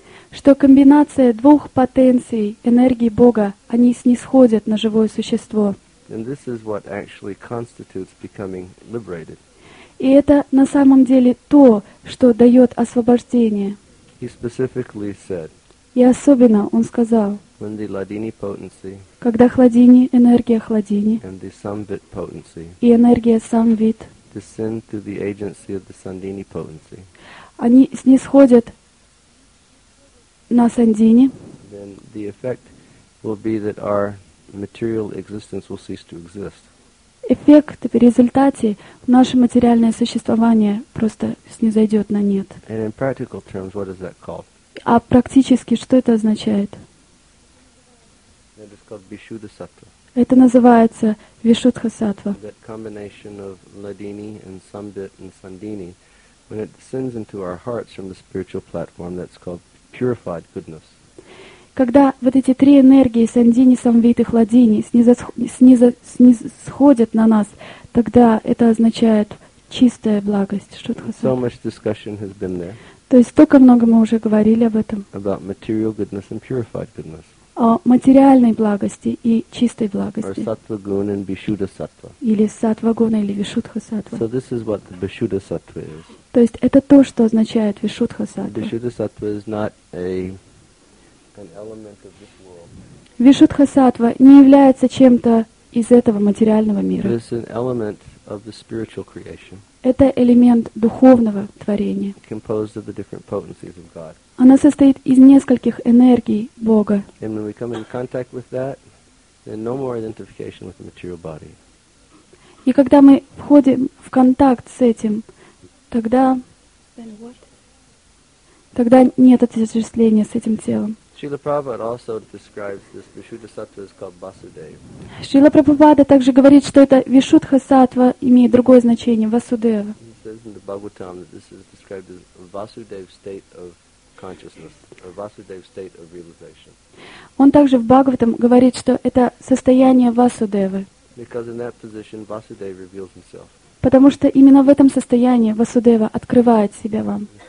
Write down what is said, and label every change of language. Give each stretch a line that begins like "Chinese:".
Russian: Что комбинация двух потенций энергии Бога, они снисходят на живое существо.
English: And this is what actually constitutes becoming liberated.
Russian: И это на самом деле то, что дает освобождение.
English: He specifically said.
Russian: И особенно он сказал.
English: When the Ladini potency.
Russian: Когда Хладини, энергия Хладини.
English: And the Samvit potency.
Russian: И энергия Самвит.
English: Descend to the agency of the Sandini potency.
Russian: Они снисходят на Сандини.
English: Then the effect will be that our material existence will cease to exist.
Russian: Эффект в результате наше материальное существование просто снизойдет на нет.
English: And in practical terms, what is that called?
Russian: А практически что это означает?
English: That is called Vishuddha Sattva.
Russian: Это называется Вишудха Сатва.
English: That combination of Ladini and Sambit and Sandini, when it descends into our hearts from the spiritual platform, that's called purified goodness.
Russian: Когда вот эти три энергии Сандини, Самвит и Хладини снизосходят на нас, тогда это означает чистая благость, Шудха Сатва.
English: So much discussion has been there.
Russian: То есть столько много мы уже говорили об этом.
English: About material goodness and purified goodness.
Russian: О материальной благости и чистой благости.
English: Or sattva-gun and bishuddha-sattva.
Russian: Или сатва-гуна или вишудха-сатва.
English: So this is what the bishuddha-sattva is.
Russian: То есть это то, что означает вишудха-сатва.
English: Bishuddha-sattva is not an element of this world.
Russian: Вишудха-сатва не является чем-то из этого материального мира.
English: It is an element of the spiritual creation.
Russian: Это элемент духовного творения.
English: Composed of the different potencies of God.
Russian: Она состоит из нескольких энергий Бога.
English: And when we come in contact with that, then no more identification with the material body.
Russian: И когда мы входим в контакт с этим, тогда,
English: then what?
Russian: Тогда нет отождествления с этим телом.
English: Srila Prabhupada also describes this Vishuddha Sattva is called Vasudeva.
Russian: Srila Prabhupada также говорит, что это Vishuddha Sattva имеет другое значение, Vasudeva.
English: He says in the Bhagavatam that this is described as Vasudeva state of consciousness, or Vasudeva state of realization.
Russian: Он также в Бхагаватам говорит, что это состояние Васудевы.
English: Because in that position Vasudeva reveals himself.
Russian: Потому что именно в этом состоянии Васудева открывает себя вам.